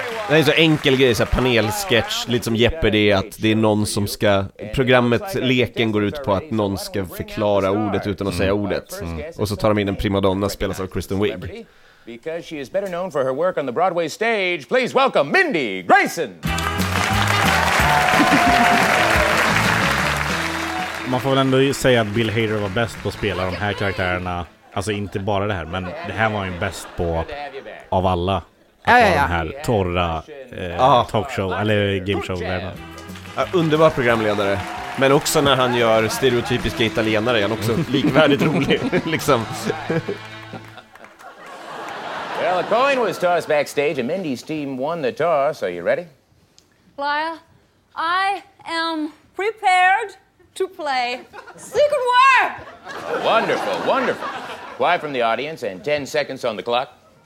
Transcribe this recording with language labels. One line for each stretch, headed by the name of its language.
Swedish: Det är så enkel grej, så panelsketch, lite som Jeopardy, att det är någon som ska, programmet, leken går ut på att någon ska förklara ordet utan att säga ordet. Och så tar de in en primadonna, spelas av Kristen Wiig.
English: Because she is better known for her work on the Broadway stage, please welcome Mindy Grayson.
Swedish: Man får väl ändå säga att Bill Hader var bäst på att spela de här karaktärerna. Alltså inte bara det här, men det här var ju bäst på av alla. Ja, den här torra talkshow eller gameshow. Underbar programledare, men också när han gör stereotypiska italienare, han också likvärdigt rolig liksom.
English: Well, a coin was tossed backstage and Mindy's team won the toss. Are you ready? Lyle, I am prepared to play Secret War. Wonderful, wonderful. Quiet from the audience and 10 seconds on the clock.